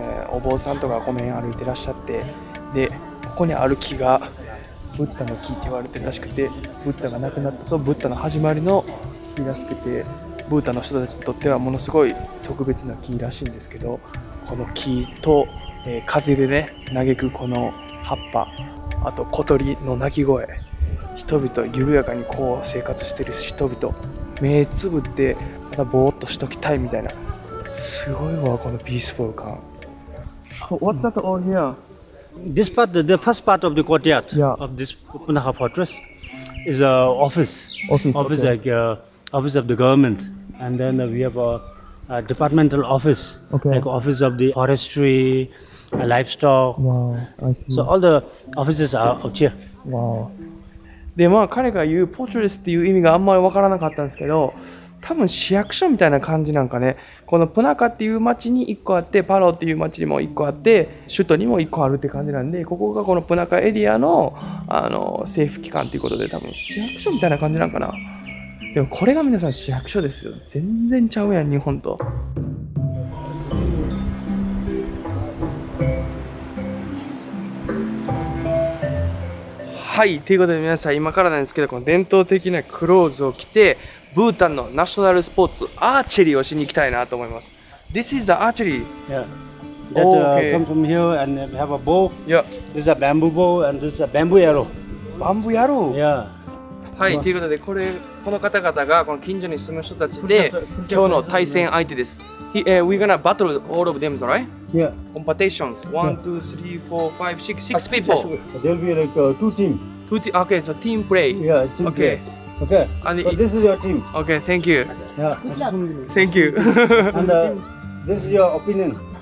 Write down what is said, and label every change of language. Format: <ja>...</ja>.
<ja>お坊さんとかこの辺歩いてらっしゃって、でここにある木がブッダの木って言われてるらしくて、ブッダが亡くなったとブッダの始まりの木らしくて、ブータンの人たちにとってはものすごい特別な木らしいんですけど、この木と、風でね嘆くこの葉っぱ、あと小鳥の鳴き声、人々緩やかにこう生活してる人々、目つぶってまたぼーっとしときたいみたいな、すごいわこのピースフル感。</ja> <en>So, what's that all here? This part, the first part of the courtyard、yeah. of this Punaka fortress is an office. Office, okay. Like, office of the government. And then we have a departmental office. Okay. Like office of the forestry, livestock. Wow, I see. So all the offices are out here. Wow.</en> <ja>でまあ彼が言う fortress っていう意味があんまりわからなかったんですけど、多分市役所みたいな感じなんかね。このプナカっていう町に1個あって、パロっていう町にも1個あって、首都にも1個あるって感じなんで、ここがこのプナカエリア の政府機関ということで、多分市役所みたいな感じなんかな。でもこれが皆さん市役所ですよ、全然ちゃうやん日本と。はい、ということで皆さん今からなんですけど、この伝統的なクローズを着てブータンのナショナルスポーツアーチェリーをしに行きたいなと思います。</ja> <en>This is the archery. Yeah. That、okay. come from here and have a bow. Yeah. This is a bamboo bow and this is a bamboo arrow. Bamboo arrow. Yeah.</en> <ja>はい、ということでこれこの方々がこの近所に住む人たちで今日の対戦相手です。</ja> <en>We're gonna battle all of them, right? Yeah. Competitions. One, two, three, four, five, six. Six people. There'll be like two team. Two team. Okay, so team play. Yeah. Team play. Okay. Okay, and so this is your team. Okay, thank you. Yeah. Good luck. Thank you. And this is your opinion.</en>